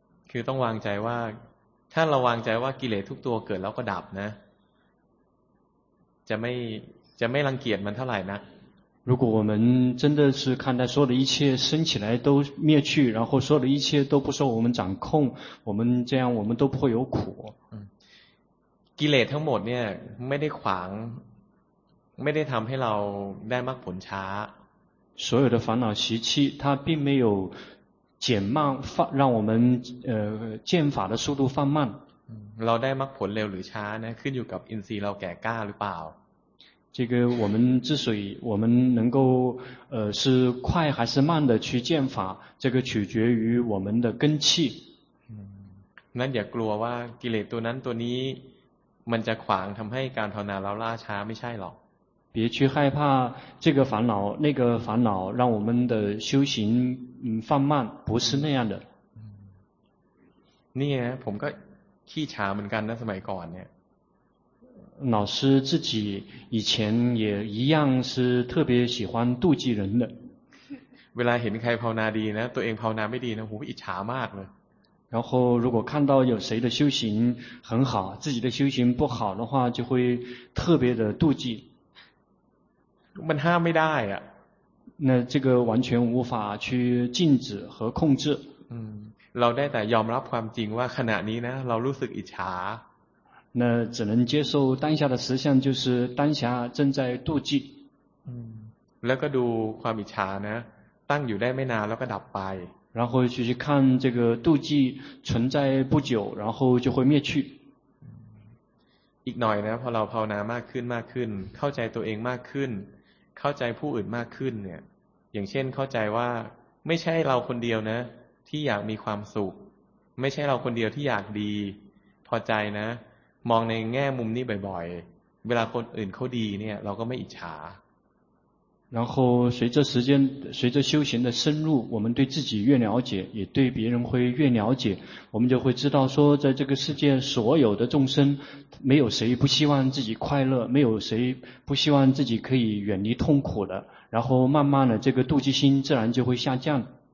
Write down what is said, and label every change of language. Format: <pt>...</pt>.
<th>คือต้องวางใจว่าถ้าเราวางใจว่ากิเลสทุกตัวเกิดแล้วก็ดับนะจะไม่รังเกียจมันเท่าไหร่นะ</th> <zh>如果我们真的是看待所有的一切生起来都灭去然后所有的一切都不受我们掌控我们这样我们都不会有苦</zh> <th>กิเลสทั้งหมดเนี่ยไม่ได้ขวางไม่ได้ทำให้เราได้มรรคผลช้า</th> <zh>所有的烦恼习气它并没有减慢让我们见法的速度放慢</zh> <th>เราได้มรรคผลเร็วหรือช้านะขึ้นอยู่กับอินทรีย์เราแก่กล้าหรือเปล่า</th> <zh>这个我们之所以我们能够是快还是慢的去见法这个取决于我们的根气</zh> <th>นั้นอย่ากลัวว่ากิเลสตัวนั้นตัวนี้มันจะขวางทำให้การภาวนาเราล่าช้าไม่ใช่หรอก</th> <zh>别去害怕这个烦恼那个烦恼让我们的修行放慢不是那样的</zh> <th>นี่ผมก็ขี้ช้าเหมือนกันนะสมัยก่อนเนี่ย</th> <zh>老师自己以前也一样是特别喜欢妒忌人的。</zh> <th>เวลาเห็นใครภาวนาดีนะตัวเองภาวนาไม่ดีนะผมอิจฉามากเลย。</th> <zh>然后如果看到有谁的修行很好，自己的修行不好的话，就会特别的妒忌。</zh> <th>มันห้ามไม่ได้อะ。</th> <zh>那这个完全无法去禁止和控制。</zh> <th>เราได้แต่ยอมรับความจริงว่าขณะนี้นะเรารู้สึกอิจฉา。</th> <zh>那只能接受当下的实相就是当下正在妒忌</zh> <th>แล้วก็ดูความอิจฉานะตั้งอยู่ได้ไม่นานแล้วก็ดับไป</th> <zh>然后就去看这个妒忌存在不久然后就会灭去</zh> <th>อีกหน่อยนะพอเราภาวนามากขึ้นมากขึ้นเข้าใจตัวเองมากขึ้นเข้าใจผู้อื่นมากขึ้นเนี่ยอย่างเช่นเข้าใจว่าไม่ใช่เราคนเดียวนะที่อยากมีความสุขไม่ใช่เราคนเดียวที่อยากดีพอใจนะมองในแง่มุมนี้บ่อยๆเวลาคนอื่นเขาดีเนี่ยเราก็ไม่อิจฉา</th> <zh>然后随着时间随着修行的深入我们对自己越了解也对别人会越了解我们就会知道说在这个世界所有的众生没有谁不希望自己快乐没有谁不希望自己可以远离痛苦的然后慢慢的这个妒忌心自然就会下降</zh>